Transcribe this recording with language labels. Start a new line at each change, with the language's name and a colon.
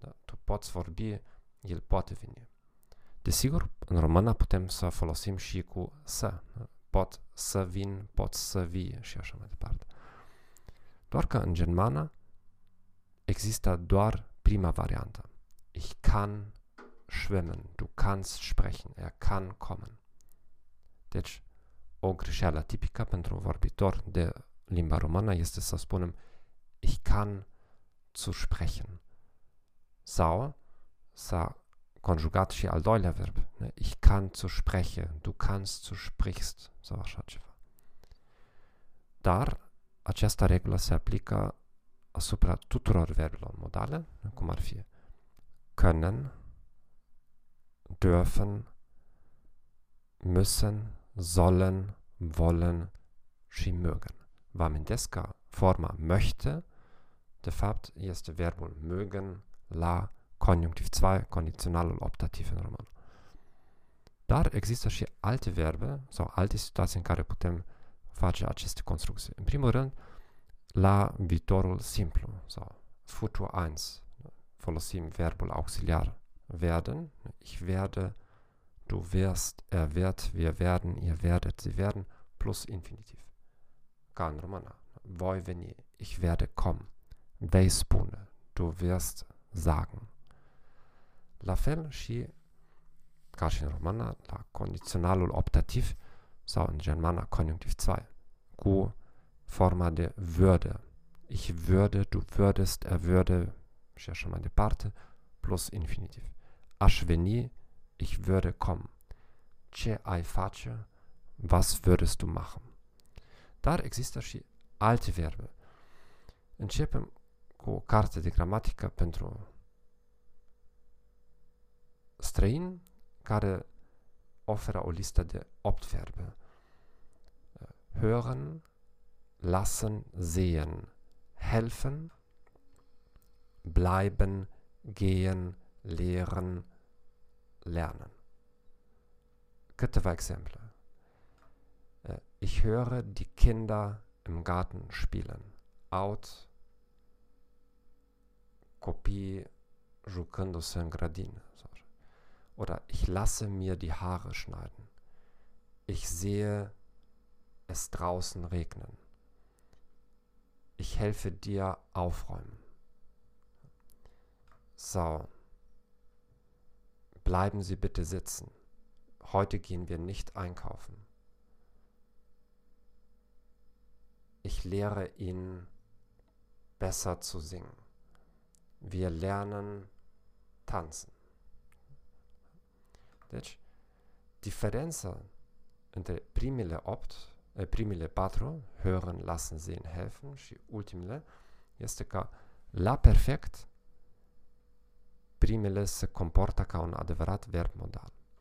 Romanian: Tu poți vorbi, el poate veni. Desigur, în română putem să folosim și cu să. Pot să vin, pot să vii și așa mai departe. Doar că în germană există doar prima variantă.
German: Ich kann schwimmen, du kannst sprechen, er kann kommen.
Romanian: Deci, o greșeală tipică pentru vorbitor de limba română este să spunem
German: ich kann zu sprechen.
Romanian: Sau s-a conjugat și al doilea verb.
German: Ich kann zu spreche, du kannst zu sprichst,
Romanian: sau așa ceva. Dar această regulă se aplică asupra tuturor verbelor modale, cum ar fi können, dürfen, müssen, sollen, wollen și mögen. Vă amintesc că forma möchte, de fapt, este verbul mögen, la conjunctiv 2, condiționalul optativ în român. Dar există și alte verbe sau alte situații în care putem face aceste construcții. În primul rând, la viitorul simplu sau futur 1 folosim verbul auxiliar werden.
German: Ich werde, du wirst, er wird, wir werden, ihr werdet, sie werden plus infinitiv.
Romanian: Ca în română. Voi veni,
German: ich werde kommen.
Romanian: Vei spune,
German: du wirst sagen.
Romanian: La fel și, ca și în română, la condiționalul optativ sau în germană conjunctiv 2, cu forma de würde.
German: Ich würde, du würdest, er würde
Romanian: și așa mai departe,
German: plus infinitiv.
Romanian: Aș veni,
German: ich würde kommen.
Romanian: Ce ai face?
German: Was würdest du machen?
Romanian: Dar există și alte verbe. Începem cu o carte de gramatică pentru străin care oferă o listă de 8 verbe.
German: Hören, lassen, sehen, helfen, bleiben, gehen, lehren, lernen.
Romanian: Câteva exemple.
German: Ich höre die Kinder im Garten spielen.
Romanian: Aud copii jucându-se în grădină.
German: Oder ich lasse mir die Haare schneiden. Ich sehe es draußen regnen. Ich helfe dir aufräumen. So. Bleiben Sie bitte sitzen. Heute gehen wir nicht einkaufen. Ich lehre Ihnen besser zu singen. Wir lernen tanzen.
Romanian: Deci, diferența între primele 8, primele 4, hören, lassen, sehen, helfen și ultimele, este că La perfect, primele se comportă ca un adevărat verb modal.